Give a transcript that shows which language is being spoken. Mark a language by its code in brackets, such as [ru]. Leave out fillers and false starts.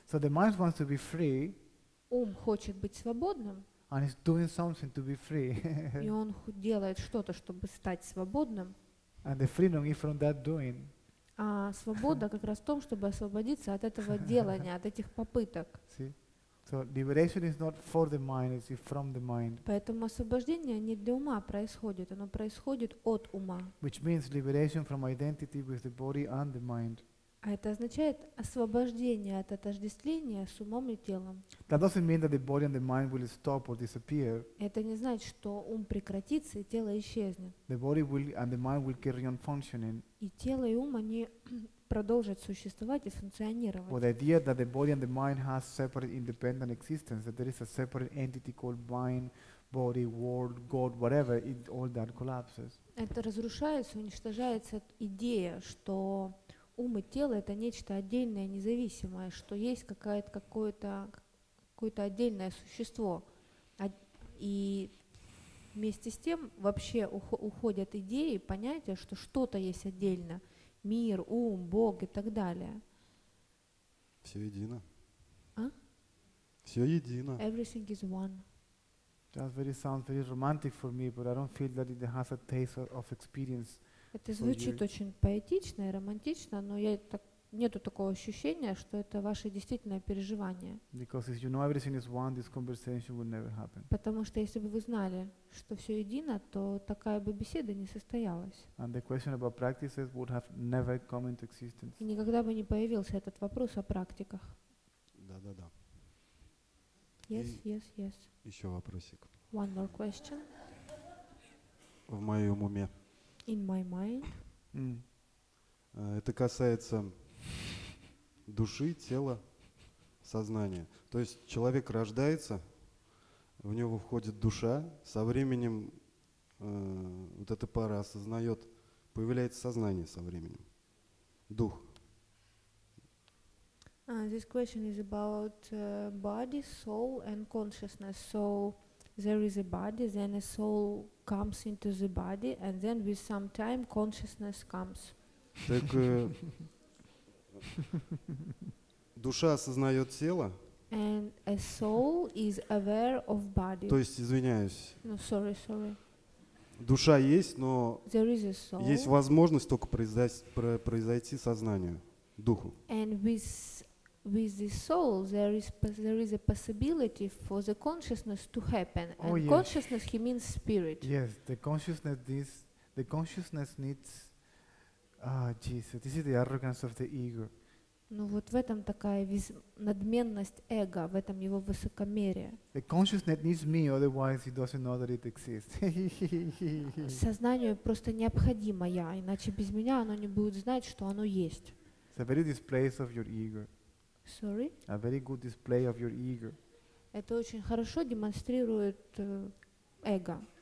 [en] So the mind wants to be free. [ru] Ум хочет быть свободным. [en] And he's doing something to be free. [ru] И он делает что-то, чтобы стать свободным. [en] And the freedom is from that doing. [ru] А свобода как раз в том, чтобы освободиться от этого делания, от этих попыток. [en] See? So liberation is not for the mind, it's from the mind. [ru] Поэтому освобождение не для ума происходит, оно происходит от ума. [en] Which means liberation from identity with the body and the mind. [ru] А это означает освобождение от отождествления с умом и телом. [en] That doesn't mean that the body and the mind will stop or disappear. [ru] Это не значит, что ум прекратится и тело исчезнет. [en] The body will and the mind will carry on functioning. [ru] И тело и ум они продолжат существовать и функционировать. [en] But the idea that the body and the mind has separate independent existence, that there is a separate entity called mind, body, world, God, whatever, it all that collapses. [ru] Это разрушается, уничтожается идея, что ум и тело это нечто отдельное, независимое, что есть какое-то отдельное существо. И вместе с тем вообще уходят идеи, понятия, что что-то есть отдельно. Мир, ум, Бог и так далее. Все едино. А? Все едино. [en] Everything is one. That very sounds very romantic for me, but I don't feel that it has a taste of experience. [ru] Это звучит очень поэтично и романтично, но я так нету такого ощущения, что это ваше действительное переживание. [en] Because if you know everything is one, this conversation would never happen. [ru] Потому что если бы вы знали, что все едино, то такая бы беседа не состоялась. [en] And the question about practices would have never come into existence. [ru] И никогда бы не появился этот вопрос о практиках. Да, да, да. [en] Yes, yes, yes. [ru] Еще вопросик. [en] One more question. [ru] В моем уме. [en] In my mind. [ru] Это касается души, тела, сознания. То есть человек рождается, в него входит душа, со временем вот эта пара осознает, появляется сознание со временем, дух. [en] This question is about body, soul and consciousness. So there is a body, then a soul comes into the body, and then with some time consciousness comes. [ru] Так душа осознает тело. [en] And a soul is aware of body. [ru] То есть, извиняюсь. [en] No, sorry, sorry. [ru] Душа есть, но [en] there is a soul. [ru] Есть возможность только произойти сознанию, духу. [en] And with the soul there is a possibility for the consciousness to happen. Oh, and yes. Consciousness, he means spirit. Yes, the consciousness needs. Jesus, this is the arrogance of the ego. [ru] Ну вот в этом такая надменность эго, в этом его высокомерие. [en] The consciousness needs me, otherwise it doesn't know that it exists. [ru] Сознанию просто необходимо я, иначе без меня оно не будет знать, что оно есть. [en] It's a very display of your ego. Sorry? A very good display of your ego. [ru] Это очень хорошо демонстрирует эго.